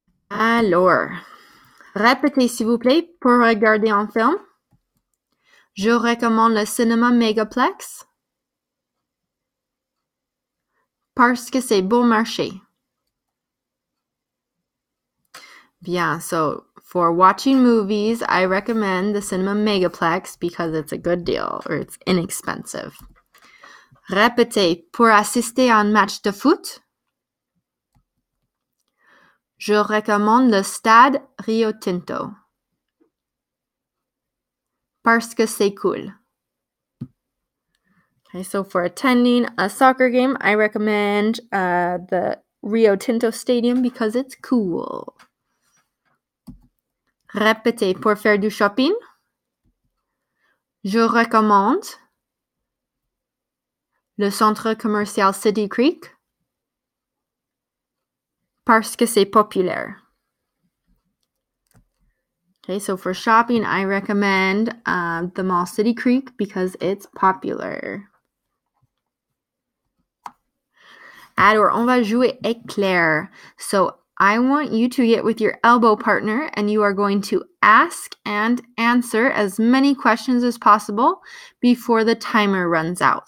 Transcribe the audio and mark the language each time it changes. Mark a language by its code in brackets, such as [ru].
[fr] Alors, répétez s'il vous plaît pour regarder un film. Je recommande le cinéma Megaplex parce que c'est bon marché. [en] Bien, so for watching movies, I recommend the cinema Megaplex because it's a good deal or it's inexpensive. [fr] Répétez pour assister à un match de foot. Je recommande le stade Rio Tinto parce que c'est cool. [en] Okay, so for attending a soccer game, I recommend the Rio Tinto Stadium because it's cool. [fr] Répétez pour faire du shopping. Je recommande le centre commercial City Creek parce que c'est populaire. [en] Okay, so for shopping, I recommend the mall City Creek because it's popular. [fr] Alors, on va jouer éclair. [en] So I want you to get with your elbow partner and you are going to ask and answer as many questions as possible before the timer runs out.